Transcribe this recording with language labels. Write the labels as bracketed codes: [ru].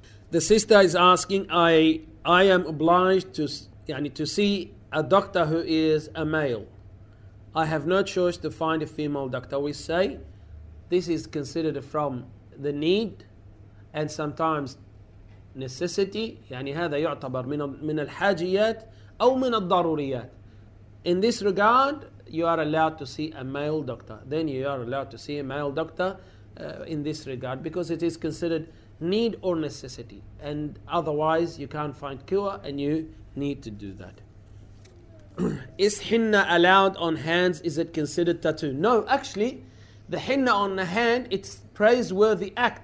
[en] The sister is asking, I am obliged to... Yani to see a doctor who is a male. I have no choice to find a female doctor. We say this is considered from the need and sometimes necessity. [ar] Yani هذا يعتبر من الحاجيات أو من الضروريات. [en] In this regard, you are allowed to see a male doctor. Then you are allowed to see a male doctor in this regard because it is considered need or necessity. And otherwise, you can't find cure and you need to do that. Is henna allowed on hands? Is it considered tattoo? No, actually, the henna on the hand, it's praiseworthy act.